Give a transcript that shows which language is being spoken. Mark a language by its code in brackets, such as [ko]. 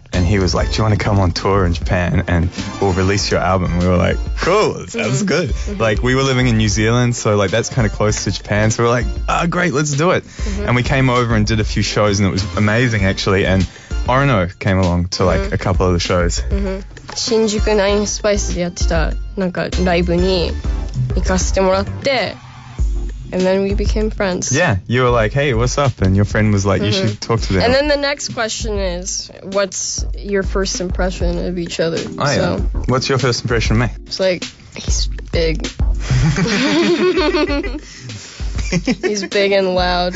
[en] And he was like, do you want to come on tour in Japan and we'll release your album? And we were like, cool, sounds good. Like, we were living in New Zealand, so like that's kind of close to Japan. So we're like, ah, great, let's do it. Mm-hmm. And we came over and did a few shows and it was amazing, actually. And Orono came along to like a couple of the shows. Mm-hmm. [ja] 新宿ナインスパイスでやってたなんかライブに行かせてもらって。 [en] And then we became friends. Yeah, you were like, hey, what's up? And your friend was like, you should talk to them. And then the next question is, what's your first impression of each other? Oh, yeah. So, what's your first impression of me? It's like, he's big. He's big and loud.